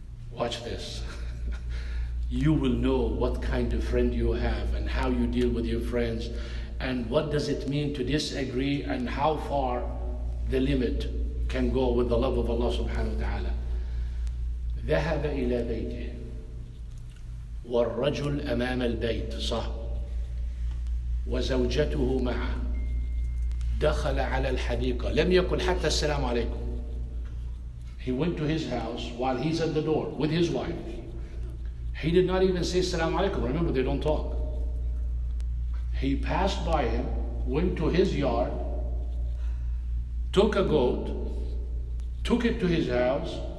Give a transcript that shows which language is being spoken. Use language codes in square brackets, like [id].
[en] Watch this. You will know what kind of friend you have and how you deal with your friends and what does it mean to disagree and how far the limit can go with the love of Allah subhanahu wa ta'ala. [ar] ذهب إلى بيته والرجل أمام البيت صاحب وزوجته معه دخل على الحديقة لم يقل حتى السلام عليكم. [en] He went to his house while he's at the door with his wife. He did not even say [ar] السلام عليكم. [en] Remember, they don't talk. He passed by him, went to his yard, took a goat, took it to his house.